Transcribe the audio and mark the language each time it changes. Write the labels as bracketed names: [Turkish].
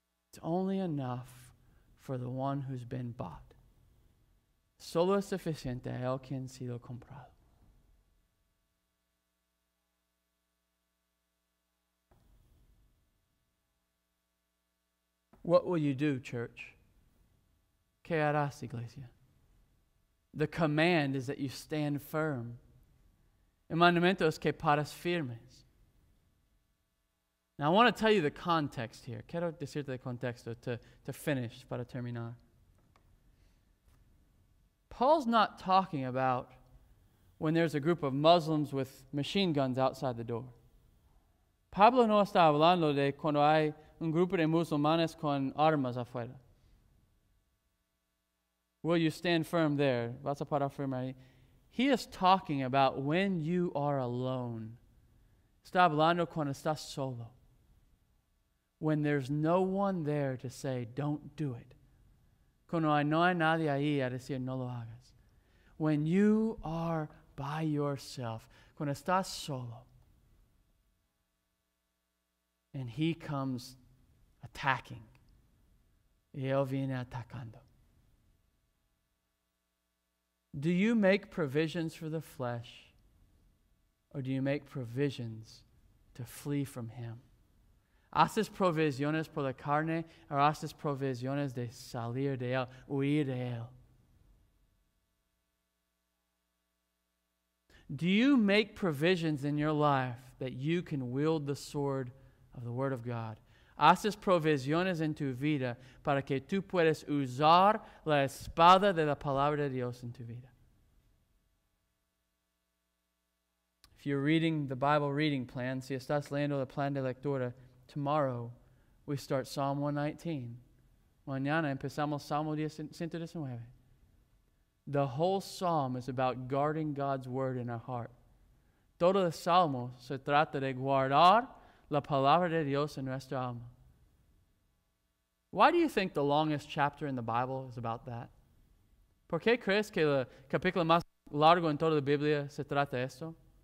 [English] It's only enough for the one who's been bought. [Spanish] Solo es suficiente a el quien ha sido comprado. [English] What will you do, church? [Spanish] ¿Qué harás, iglesia? [English] The command is that you stand firm. [Spanish] El mandamiento es que paras firmes. [English] Now, I want to tell you the context here. [Spanish] Quiero decirte el contexto [English] to finish, [Spanish] para terminar. [English] Paul's not talking about when there's a group of Muslims with machine guns outside the door. [Spanish] Pablo no está hablando de cuando hay un grupo de musulmanes con armas afuera. [English] Will you stand firm there? [Spanish] Vas a parar firme ahí. [English] He is talking about when you are alone. [Spanish] Está hablando cuando estás solo. [English] When there's no one there to say, don't do it. [Spanish] Cuando no hay nadie ahí a decir, no lo hagas. [English] When you are by yourself, [Spanish] cuando estás solo, [English] and he comes attacking, [Spanish] y él viene atacando. [English] Do you make provisions for the flesh, or do you make provisions to flee from him? [Spanish] ¿Haces provisiones por la carne, or haces provisiones de salir de él, huir de él? [English] Do you make provisions in your life that you can wield the sword of the Word of God? [Spanish] ¿Haces provisiones en tu vida para que tú puedas usar la espada de la palabra de Dios en tu vida? [English] You're reading the Bible reading plan, [Spanish] si estás leyendo el plan de lectura, [English] tomorrow we start Psalm 119. [Spanish] Mañana empezamos Salmo 119. [English] The whole psalm is about guarding God's word in our heart. [Spanish] Todo el salmo se trata de guardar la palabra de Dios en nuestra alma. [English] Why do you think the longest chapter in the Bible is about that? [Spanish] ¿Por qué crees que el capítulo más largo en toda la Biblia se trata de esto?